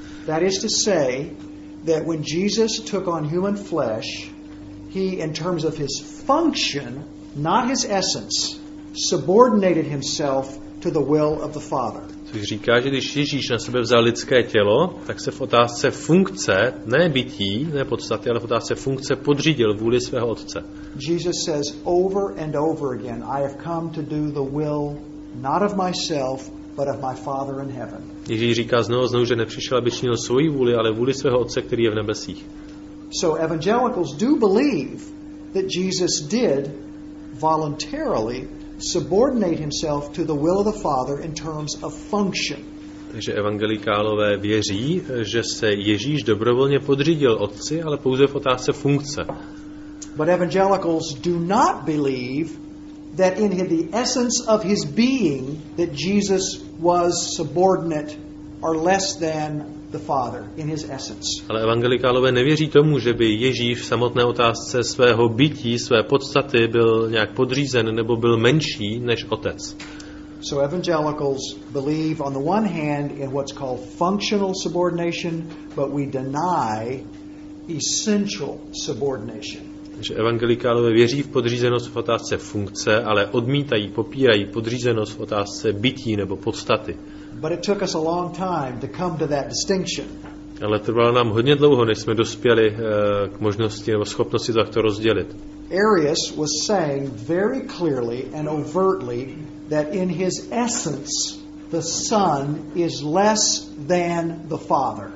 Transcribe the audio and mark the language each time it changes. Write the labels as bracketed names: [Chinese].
[English] That is to say that when Jesus took on human flesh, he, in terms of his function, not his essence, subordinated himself to the will of the Father. [Czech] Což říká, že když Ježíš na sebe vzal lidské tělo, tak se v otázce funkce, ne bytí, ne podstaty, ale v otázce funkce podřídil vůli svého Otce. [English] Jesus says over and over again, I have come to do the will not of myself, but of my Father in heaven. [Czech] Ježíš říká znovu, že nepřišel, aby činil svoji vůli, ale vůli svého Otce, který je v nebesích. [English] So evangelicals do believe that Jesus did voluntarily subordinate himself to the will of the Father in terms of function. [Czech] Takže evangelikálové věří, že se Ježíš dobrovolně podřídil Otci, ale pouze v otázce funkce. [English] But evangelicals do not believe that in the essence of his being that Jesus was subordinate or less than the Father in his essence. [Czech] Ale evangelikálové nevěří tomu, že by Ježíš v samotné otázce svého bytí, své podstaty byl nějak podřízen nebo byl menší než Otec. [English] So evangelicals believe on the one hand in what's called functional subordination, but we deny essential subordination. [Czech] Takže evangelikálové věří v podřízenost v otázce funkce, ale odmítají, popírají podřízenost v otázce bytí nebo podstaty. [English] But it took us a long time to come to that distinction. [Czech] Ale trvalo nám hodně dlouho, než jsme dospěli k možnosti nebo schopnosti takto rozdělit. [English] Arius was saying very clearly and overtly that in his essence the Son is less than the Father.